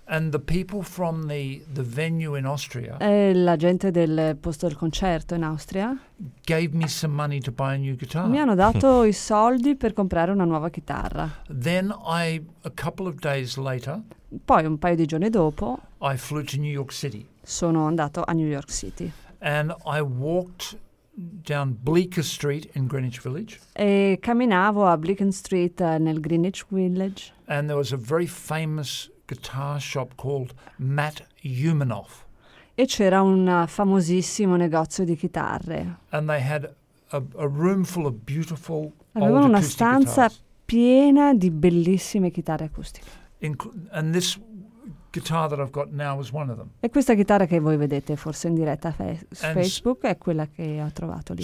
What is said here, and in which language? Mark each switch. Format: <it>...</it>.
<en>And the people from the venue in Austria.</en> <it>E la gente del posto del concerto in Austria.</it> <en>Gave me some money to buy a new guitar.</en> <it>Mi hanno dato i soldi per comprare una nuova chitarra.</it> <en>Then a couple of days later.</en> <it>Poi un paio di giorni dopo.</it> <en>I flew to New York City.</en> <it>Sono andato a New York City.</it> <en>And I walked down Bleecker Street in Greenwich Village.</en> <it>E camminavo a Bleecker Street nel Greenwich Village.</it> <en>And there was a very famous guitar shop called Matt Yumanoff.</en> <it>E c'era un famosissimo negozio di chitarre.</it> <en>And they had a room full of beautiful old acoustic</en> <it>guitars. Avevano una stanza</it> <en>guitars.</en> <it>Piena di bellissime chitarre acustiche.</it> <en>And this guitar that I've got now is one of them.</en> <it>E questa chitarra che voi vedete forse in diretta su Facebook è quella che ho trovato lì.</it>